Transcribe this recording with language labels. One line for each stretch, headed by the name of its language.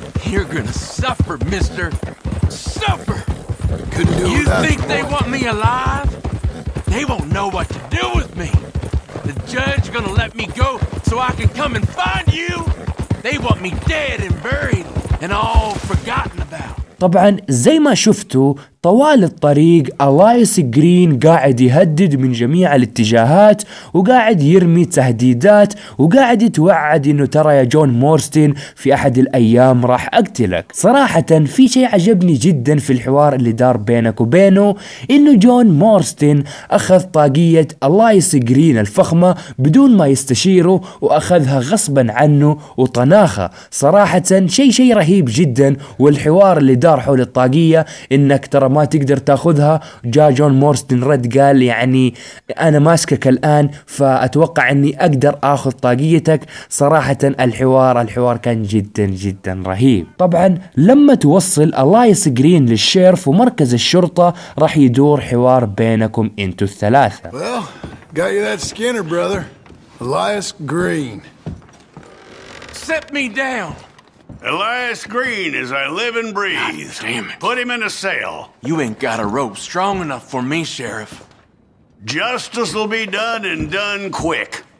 English: You're gonna suffer, mister. Suffer! Couldn't do you that think they want me alive? They won't know what to do with me. The judge gonna let me go so I can come and find you? They want me dead and buried and all forgotten about.
Arabic: طبعا زي ما شفتوا طوال الطريق ألايس جرين قاعد يهدد من جميع الاتجاهات وقاعد يرمي تهديدات وقاعد يتوعد انه ترى يا جون مورستين في احد الايام راح اقتلك. صراحة في شيء عجبني جدا في الحوار اللي دار بينك وبينه، انه جون مورستين اخذ طاقية ألايس جرين الفخمة بدون ما يستشيره واخذها غصبا عنه وطناخه. صراحة شيء رهيب جدا، والحوار اللي دار حول الطاقية انك ترى ما تقدر تاخذها. جاء جون مورستن رد قال يعني انا ماسكك الان فاتوقع اني اقدر اخذ طاقيتك. صراحة الحوار كان جدا رهيب. طبعا لما توصل ألايس جرين للشيرف ومركز الشرطة راح يدور حوار بينكم انتو الثلاثة.
English: Well, got you that Skinner brother. Elias Green. Set me down. Elias Green is a living breathe. God damn it. Put him in a cell. You ain't got a rope strong enough for me, Sheriff. Justice will be done and done quick.